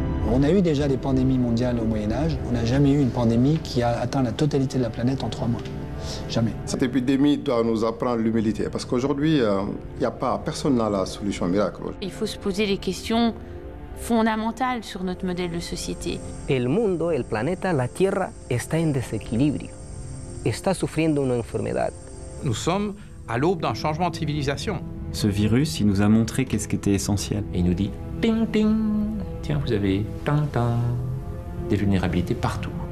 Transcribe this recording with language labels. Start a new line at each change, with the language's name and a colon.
French: On a eu déjà des pandémies mondiales au Moyen-Âge. On n'a jamais eu une pandémie qui a atteint la totalité de la planète en 3 mois. Jamais. Cette épidémie doit nous apprendre l'humilité. Parce qu'aujourd'hui, personne n'a la solution miracle. Il faut se poser les questions fondamentale sur notre modèle de société.
Spanish: El mundo, el planeta, la Tierra está en desequilibrio. Está sufriendo una enfermedad.
French: Nous sommes à l'aube d'un changement de civilisation. Ce virus, il nous a montré qu'est-ce qui était essentiel. Et il nous dit ting ting. Tiens, vous avez tin tin des vulnérabilités partout.